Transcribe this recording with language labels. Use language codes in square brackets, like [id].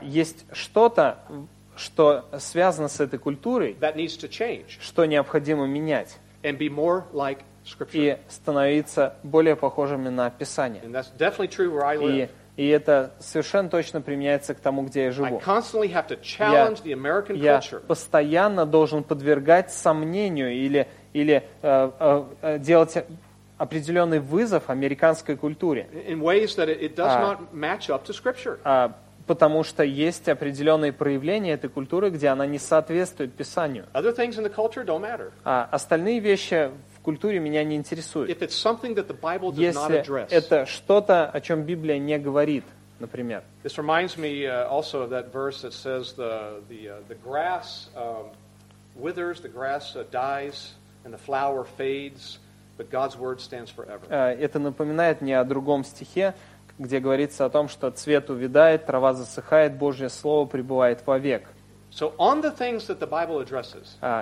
[ru] есть что-то, что связано с этой культурой, [en] that needs to change, [ru] что необходимо менять. [en] And be more like scripture. [ru] И становиться более похожими на Писание. [en] And that's definitely true where I live. [ru] И это совершенно точно применяется к тому, где я живу. [en] I constantly have to challenge the American culture. [ru] Я постоянно должен подвергать сомнению или делать определенный вызов американской культуре. [en] In ways that it does not match up to scripture. [ru] Потому что есть определенные проявления этой культуры, где она не соответствует Писанию. [en] Other things in the culture don't matter. [ru] Остальные вещи в культуре меня не интересуют. [en] If it's something that the Bible does [ru] если [en] not address, [ru] это что-то, о чем Библия не говорит, например. [en] This reminds me also of that verse that says the grass withers, the grass dies, and the flower fades, but God's word stands forever. [ru] Это напоминает мне о другом стихе, где говорится о том, что цвет увядает, трава засыхает, Божье Слово пребывает вовек. [en] So on the things that the Bible addresses,